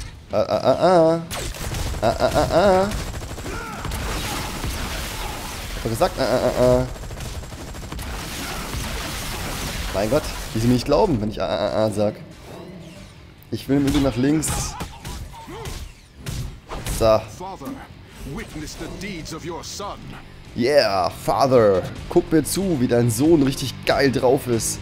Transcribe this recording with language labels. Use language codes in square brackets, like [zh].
[de] Hab doch gesagt, Mein Gott, wie sie mir nicht glauben, wenn ich sag. Ich will irgendwie nach links. So. [en] Father, witness the deeds of your son. Yeah, Father, [de] guck mir zu, wie dein Sohn richtig geil drauf ist.